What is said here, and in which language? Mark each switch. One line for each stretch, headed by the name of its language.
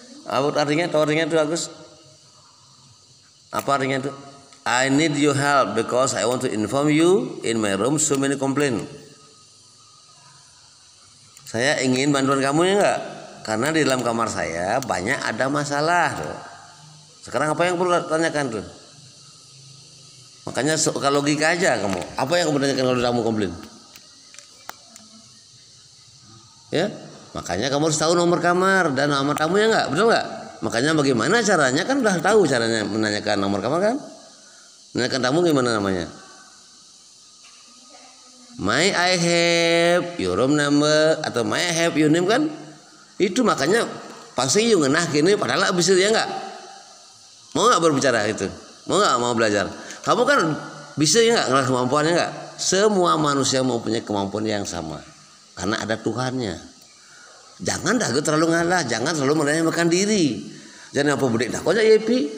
Indonesian: Apa artinya? Tahu artinya itu, Agus? Apa artinya itu?
English: I need your help because I want to inform you in my room so many complaints.
Indonesian: Saya ingin bantuan kamu ya enggak? Karena di dalam kamar saya banyak ada masalah tuh. Sekarang apa yang perlu tanyakan tuh? Makanya suka logika aja kamu. Apa yang kamu tanyakan kalau kamu komplain? Ya? Makanya kamu harus tahu nomor kamar dan nomor kamu ya enggak? Betul enggak? Makanya bagaimana caranya? Kan udah tahu caranya menanyakan nomor kamar kan? Menanyakan kamu gimana namanya?
English: May I have your room number atau may I have your name kan?
Indonesian: Itu makanya pasti you ngenah gini padahal abis itu ya enggak? Mau enggak berbicara itu? Mau enggak mau belajar? Kamu kan bisa ya enggak ngerasa kemampuannya enggak? Semua manusia mau punya kemampuan yang sama. Karena ada Tuhannya. Jangan dah terlalu ngalah, jangan terlalu merendahkan diri. Jangan apa budek dah. Kok aja YP?